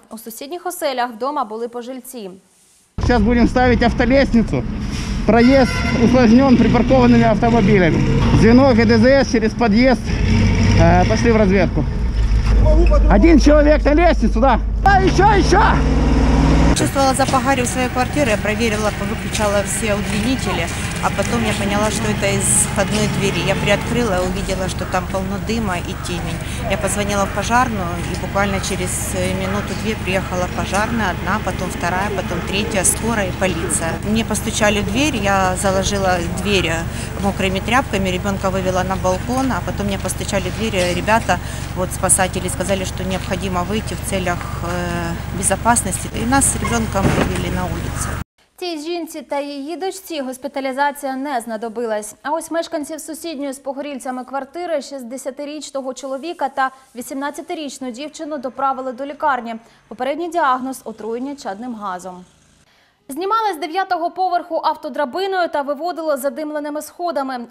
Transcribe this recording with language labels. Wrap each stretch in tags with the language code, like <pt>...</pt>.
<uk>У сусідніх оселях вдома були пожильці. Зараз будемо ставити автолесницю. Проїзд ускладнений припаркованими автомобілями. Дзвінок і ДЗС через під'їзд пішли в розвідку. Один чоловік на лестницю, да? А ще, ще!</uk> <ru>Чувствовала запах гари в своей квартире, проверила, повыключала все удлинители, а потом я поняла, что это из входной двери. Я приоткрыла и увидела, что там полно дыма и темень. Я позвонила в пожарную и буквально через минуту-две приехала пожарная, одна, потом вторая, потом третья, скорая и полиция. Мне постучали в дверь, я заложила дверь мокрыми тряпками, ребенка вывела на балкон, а потом мне постучали в дверь, ребята, вот спасатели, сказали, что необходимо выйти в целях безопасности.</ru> <uk>И нас з ребенком вивели на вулицю. Цій жінці та її дочці госпіталізація не знадобилась. А ось мешканців сусідньої з погорільцями квартири 60-річного чоловіка та 18-річну дівчину доправили до лікарні. Попередній діагноз – отруєння чадним газом. Знімали з 9-го поверху автодрабиною та виводили задимленими сходами.</uk>